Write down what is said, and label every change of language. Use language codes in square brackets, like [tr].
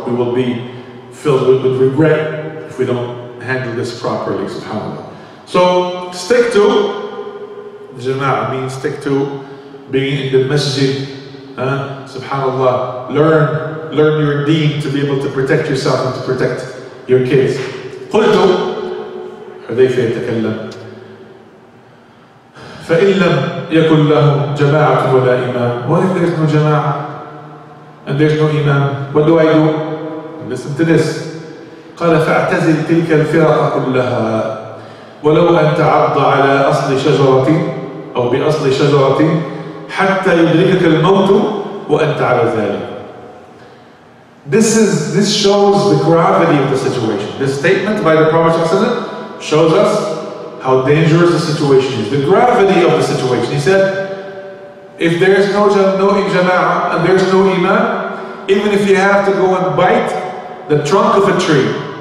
[en] We will be filled with regret if we don't handle this properly, subhanAllah. So stick to Jama'ah, means stick to being in the masjid, subhanAllah. Learn your deen to be able to protect yourself and to protect your kids. [ar] قلت حذيفة يتكلم فإن لم يكن لهم جماعة ولا إمام. [en] What if there's no جماعة and there's no إمام? What do I do? Listen to this. [ar] قال فاعتزل تلك الفرق كلها ولو أن تعض على أصل شجرة أو بأصل شجرة حتى يدركك الموت وأنت على ذلك. [en] This shows the gravity of the situation. This statement by the Prophet ﷺ shows us how dangerous the situation is. The gravity of the situation. He said, if there is no jama'ah and there is no imam, even if you have to go and bite the trunk of a tree.